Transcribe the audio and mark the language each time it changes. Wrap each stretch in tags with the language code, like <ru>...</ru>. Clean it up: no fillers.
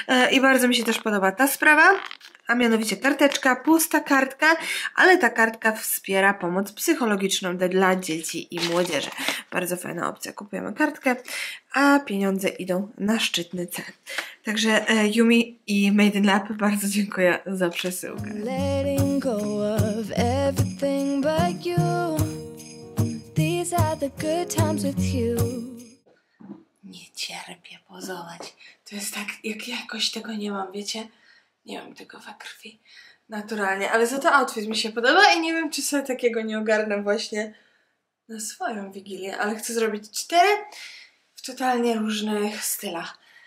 <pl>I bardzo mi się też podoba ta sprawa. A mianowicie karteczka, pusta kartka, ale ta kartka wspiera pomoc psychologiczną dla dzieci i młodzieży. Bardzo fajna opcja, kupujemy kartkę, a pieniądze idą na szczytny cel. Także Yumi i Made in Lab, bardzo dziękuję za przesyłkę.</pl> <en>Letting go of everything but you. These are the good times with you.</en> <pl>Nie cierpię pozować. To jest tak, jak jakoś tego nie mam, wiecie? Nie mam tego we krwi, naturalnie, ale za to outfit mi się podoba i nie wiem, czy sobie takiego nie ogarnę właśnie na swoją wigilię, ale chcę zrobić cztery w totalnie różnych stylach.</pl>